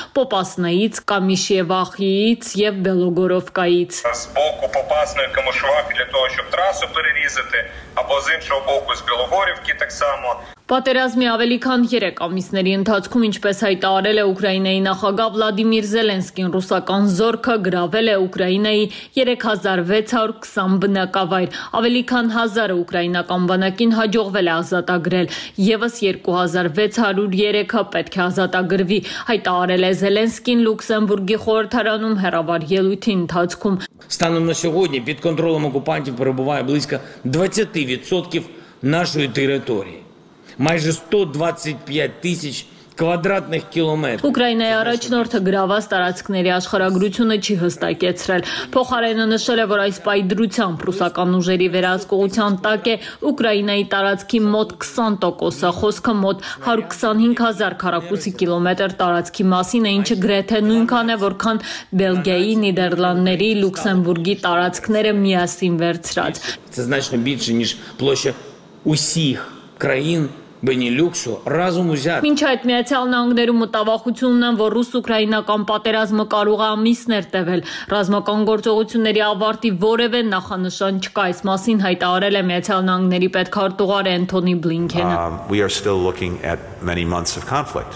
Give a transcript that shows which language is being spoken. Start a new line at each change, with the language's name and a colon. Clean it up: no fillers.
Armenian: Պոպասնեից, Կամիշևախից և Բելոգորովկայից։ Պատերազմի ավելի քան 3 ամիսների ընթացքում, ինչպես հայտարարել է Ուկրաինայի նախագահ Վլադիմիր Զելենսկին, ռուսական զորքը գրավել է Ուկրաինայի 3620 բնակավայր, ավելի քան 1000 ուկրաինական բանակին հաջողվել է ազատագրել, եւս 2603-ը պետք է ազատագրվի, հայտարարել է Զելենսկին Լյուքսեմբուրգի խորհրդարանում հեռավար ելույթի ընթացքում։
Ukrainian: Станом на сьогодні під контролем окупантів перебуває близько 20% нашої території. Майже 125,000 квадратних кілометрів.
Armenian: Україна առաջնորդը գրաված տարածքների աշխարհագրությունը չի հստակեցրել։ Փոխարենը նշել է, որ այս պայդրությամբ ռուսական ուժերի վերահսկողության տակ է Ուկրաինայի տարածքի մոտ 20%-ը, խոսքը մոտ 125,000 քառակուսի կիլոմետր տարածքի մասին է, ինչը գրեթե նույնքան է, որքան Բելգիայի, Նիդերլանդների, Լյուքսեմբուրգի տարածքները միասին վերցրած։
Ukrainian: Це значно більше, ніж площа усіх країн Բենիլյուքսը ռազում ուզյատ։
Armenian: Մինչ այդ Միացյալ Նահանգներում մտավախությունն են, որ ռուս-ուկրաինական պատերազմը կարող է ամիսներ տևել։ Ռազմական գործողությունների ավարտի որևէ նախանշան չկա, այս մասին հայտարարել է Միացյալ Նահանգների պետքարտուղար Էնթոնի Բլինքենը։